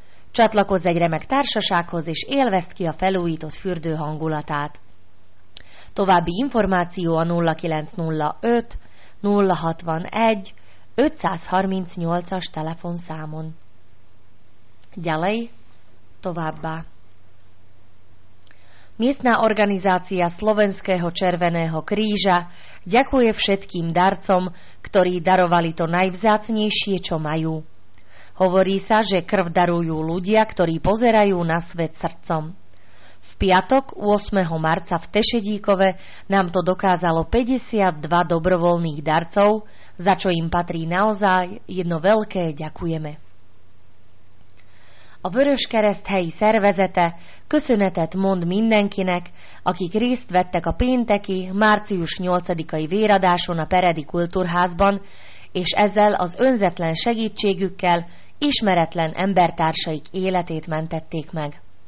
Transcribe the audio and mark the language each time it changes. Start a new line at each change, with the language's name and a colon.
Hungarian: Csatlakozz egy remek társasághoz, és élvezd ki a felújított fürdő hangulatát. További információ a 0905 061 538-as telefonszámon. Gyalej továbbá.
Slovak: Miestna organizácia Slovenského červeného kríža ďakuje všetkým darcom, ktorí darovali to najvzácnejšie, čo majú. Hovorí sa, že krv darujú ľudia, ktorí pozerajú na svet srdcom. V piatok 8. marca v Tešedíkove nám to dokázalo 52 dobrovoľných darcov, za čo im patrí naozaj jedno veľké ďakujeme.
Hungarian: A Vöröskereszt helyi szervezete köszönetet mond mindenkinek, akik részt vettek a pénteki, március 8-ai véradáson a Peredi Kultúrházban, és ezzel az önzetlen segítségükkel ismeretlen embertársaik életét mentették meg.